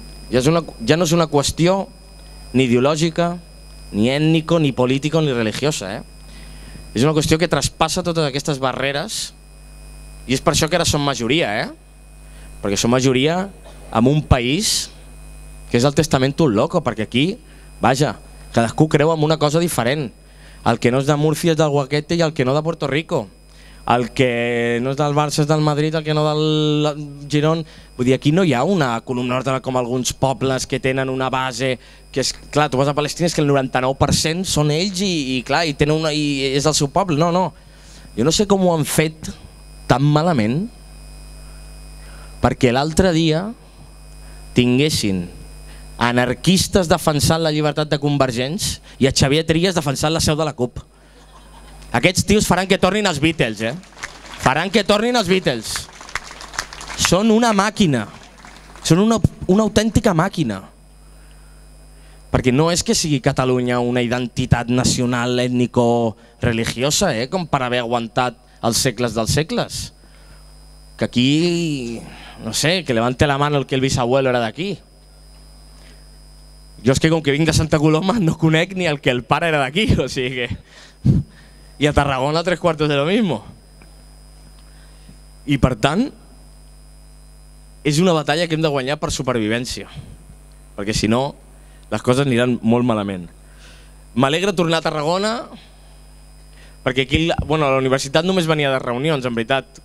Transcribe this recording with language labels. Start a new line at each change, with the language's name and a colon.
Spanish: Ya no es una cuestión ni ideológica, ni étnico, ni político, ni religiosa. Es una cuestión que traspasa todas estas barreras. Y es por eso que ahora son mayoría. Porque son mayoría en un país que es el testamento un loco. Porque aquí, vaya,
Catalan: cadascú creu en una cosa diferent. El que no és de Múrcia és del Guaquete i el que no de Puerto Rico. El que no és del Barça és del Madrid, el que no del Girón. Vull dir, aquí no hi ha una columna d'ordre com alguns pobles que tenen una base, que és, clar, tu vas a Palestina, és que el 99% són ells i tenen una, i és el seu poble. No, no. Jo no sé com ho han fet tan malament perquè l'altre dia tinguessin anarquistes defensant la llibertat de Convergents i a Xavier Trias defensant la seu de la CUP. Aquests tios faran que tornin els Beatles, eh? Faran que tornin els Beatles. Són una màquina. Són una autèntica màquina. Perquè no és que sigui Catalunya una identitat nacional, ètnico, religiosa, eh? Com per haver aguantat els segles dels segles. Que aquí, no sé, que
Spanish: levante la mano el que el bisabuelo era
Catalan: d'aquí. Jo és que com que vinc de Santa Coloma no conec ni el que el pare era d'aquí, o sigui que... I a Tarragona tres quartos de lo mismo. I per tant, és una batalla que hem de guanyar per supervivència. Perquè si no, les coses aniran molt malament. M'alegra tornar a Tarragona, perquè aquí, bueno, a la universitat només venia de reunions, en veritat.